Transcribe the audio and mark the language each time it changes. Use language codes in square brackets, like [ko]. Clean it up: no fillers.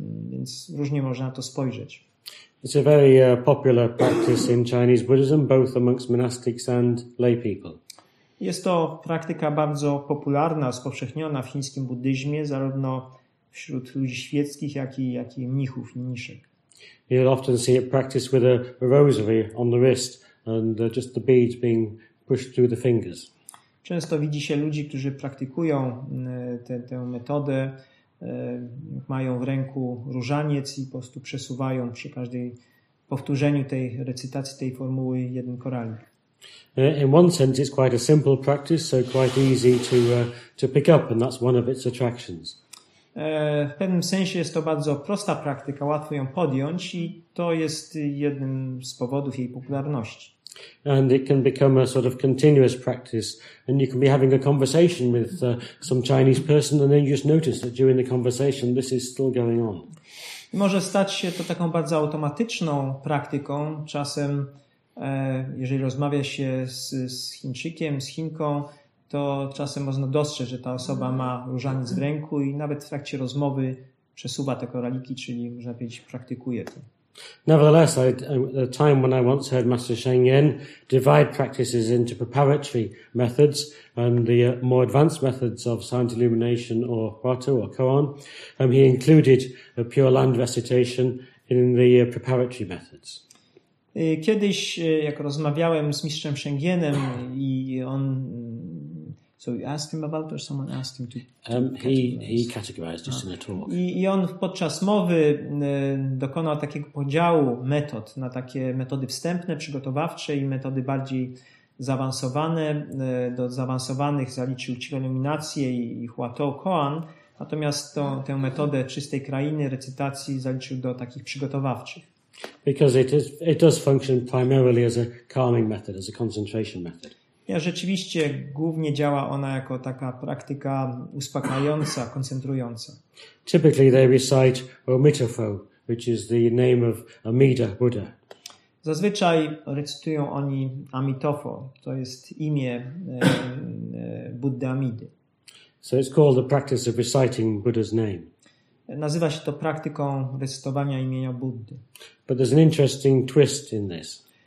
[pl] Więc różnie można na to spojrzeć. [en] It's a very popular practice in Chinese Buddhism, both amongst monastics and lay people. [pl] Jest to praktyka bardzo popularna, rozpowszechniona w chińskim buddyzmie, zarówno wśród ludzi świeckich, jak i mnichów i mniszek. [en] You'll often see it practiced with a rosary on the wrist and just the beads being pushed through the fingers. [pl] Często widzi się ludzi, którzy praktykują tę metodę, mają w ręku różaniec i po prostu przesuwają przy każdej powtórzeniu tej recytacji, tej formuły jeden koralik. [en] In one sense, it's quite a simple practice, so quite easy to pick up, and that's one of its attractions. [pl] W pewnym sensie jest to bardzo prosta praktyka, łatwo ją podjąć, i to jest jednym z powodów jej popularności. [en] And it can become a sort of continuous practice, and you can be having a conversation with some Chinese person, and then you just notice that during the conversation, this is still going on. [pl] I może stać się to taką bardzo automatyczną praktyką, czasem. Jeżeli rozmawia się z Chińczykiem, z Chinką, to czasem można dostrzec, że ta osoba ma różaniec w ręku i nawet w trakcie rozmowy przesuwa te koraliki, czyli można powiedzieć, praktykuje to. [en] Nevertheless, at a time when I once heard Master Sheng Yen divide practices into preparatory methods and the more advanced methods of silent illumination or huatu or koan, he included a pure land recitation in the preparatory methods. [pl] Kiedyś, jak rozmawiałem z mistrzem Sheng Yenem i on... [en] So you asked him about or someone asked him to categorize just in a talk. [pl] I on podczas mowy dokonał takiego podziału metod na takie metody wstępne, przygotowawcze i metody bardziej zaawansowane. Do zaawansowanych zaliczył ci iluminację i huatou koan. Natomiast tę metodę czystej krainy, recytacji zaliczył do takich przygotowawczych. [en] Because it does function primarily as a calming method, as a concentration method. [pl] Ja, rzeczywiście głównie działa ona jako taka praktyka uspokajająca, koncentrująca. [en] Typically they recite Omitofo, which is the name of Amida Buddha. [pl] Zazwyczaj recytują oni Amitofo, to jest imię Buddy Amidy. [en] So it's called the practice of reciting Buddha's name. [pl] Nazywa się to praktyką recytowania imienia Buddy. [en] But there's an interesting twist in this.